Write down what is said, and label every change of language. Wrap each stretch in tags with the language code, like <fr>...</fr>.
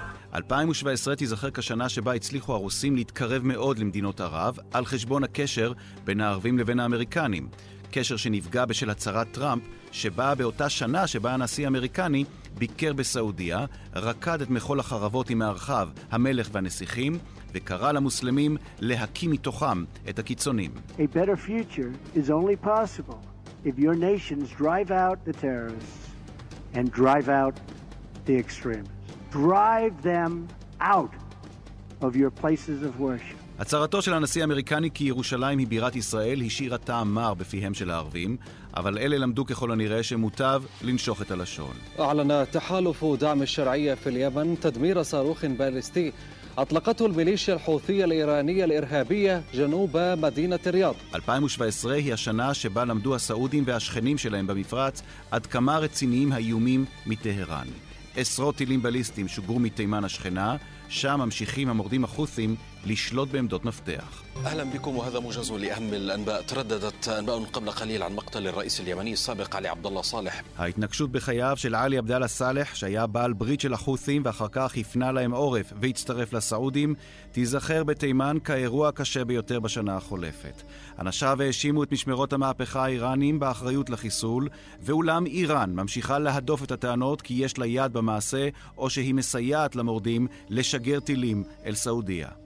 <he>ב-2017 תיזכר כשנה שבה הצליחו הרוסים להתקרב מאוד למדינות ערב על חשבון הקשר בין הערבים לבין האמריקנים. קשר שנפגע בשל הצהרת טראמפ שבאה באותה שנה שבה הנשיא האמריקני ביקר בסעודיה, רקד את מחול החרבות עם הארחב, המלך והנסיכים, וקרא למוסלמים להקים מתוכם את הקיצונים.</he> <en>A better future is only possible if your nations drive out the terrorists and drive out the extremists. Drive them out of your places of worship.</en> <he>הצהרתו של הנשיא האמריקני כי ירושלים היא בירת ישראל השאירה טעם מר בפיהם של הערבים, אבל אלה למדו ככל הנראה שמוטב לנשוך את הלשון.</he> <ar>אعلن تحالف دعم الشرعيه في اليمن تدمير صاروخ باليستي اطلقته الميليشيا الحوثيه الايرانيه الارهابيه جنوب مدينه الرياض.</ar> <he>2017</he> <ar>هي السنه</ar> <he>שבה למדו הסעודים והשכנים שלהם במפרץ עד כמה רציניים האיומים מטהרן. עשרות טילים בליסטיים שוגרו מתימן השכנה, שם ממשיכים המורדים החות'ים לשלוט בעמדות מפתח.</he> <ar>اهلا بكم وهذا موجز لاهم الانباء ترددت انباء قبل قليل عن مقتل الرئيس اليمني السابق علي عبد الله صالح.</ar> <he>ההתנקשות בחייו של علي عبد الله صالح שהיה בעל ברית של החות'ים ואחר כך הפנה להם עורף והצטרף לסעודים תיזכר בתימן כאירוע קשה ביותר בשנה החולפת. אנשיו האשימו את משמרות המהפכה האיראנים באחריות לחיסול, ואולם איראן ממשיכה להדוף את הטענות כי יש לה יד במעשה או שהיא מסייעת למורדים לשגר טילים אל סעודיה.</he>